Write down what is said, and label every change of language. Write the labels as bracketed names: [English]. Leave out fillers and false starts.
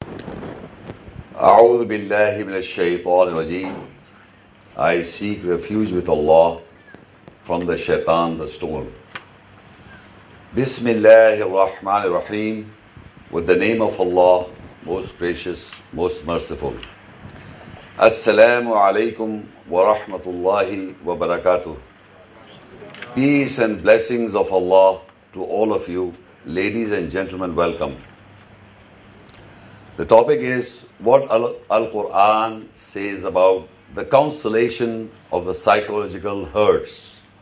[Arabic] أعوذ بالله من الشيطان الرجيم. [English] I seek refuge with Allah from the shaitan, the storm. [Arabic] بسم الله الرحمن الرحيم. [English] With the name of Allah, most gracious, most merciful. [Arabic] السلام عليكم ورحمة الله وبركاته. [English] Peace and blessings of Allah to all of you. Ladies and gentlemen, welcome. The topic is what Al-Quran says about the consolation of the psychological hurts.